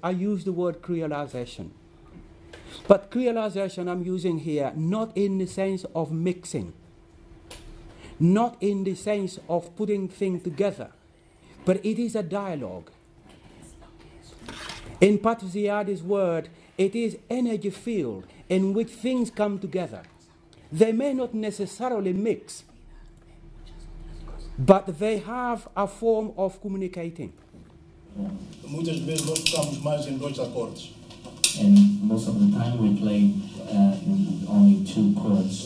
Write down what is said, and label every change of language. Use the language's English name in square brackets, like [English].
[English] I use the word creolization. But creolization I'm using here not in the sense of mixing, not in the sense of putting things together, but it is a dialogue. In Patrice Ziadi's word, it is energy field in which things come together. They may not necessarily mix, but they have a form of communicating. [Portuguese] Muitas vezes nós tocamos mais em dois acordes. [English] And most of the time we play only two chords.